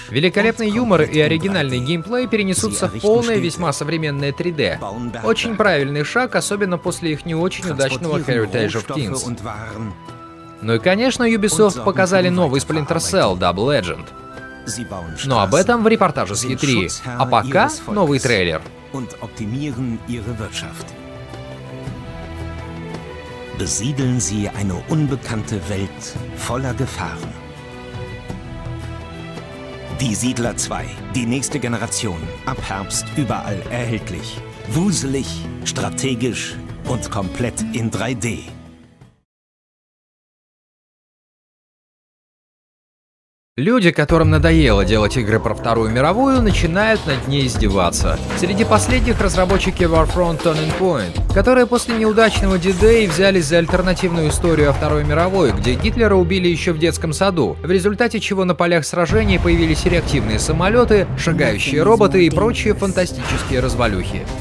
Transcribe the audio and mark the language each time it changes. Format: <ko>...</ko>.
<ru>Великолепный юмор и оригинальный геймплей перенесутся в полное, весьма современное 3D. Очень правильный шаг, особенно после их не очень удачного Heritage of Kings. Ну и конечно, Ubisoft показали новый Splinter Cell Double Agent. Но об этом в репортаже с E3. А пока новый трейлер.</ru> <de>Besiedeln Sie eine unbekannte Welt voller Gefahren. Die Siedler 2, die nächste Generation, ab Herbst überall erhältlich. Wuselig, strategisch und komplett in 3D.</de> <ru>Люди, которым надоело делать игры про Вторую мировую, начинают над ней издеваться. Среди последних разработчики Warfront Turning Point, которые после неудачного D-Day взялись за альтернативную историю о Второй мировой, где Гитлера убили еще в детском саду, в результате чего на полях сражений появились реактивные самолеты, шагающие роботы и прочие фантастические развалюхи.</ru>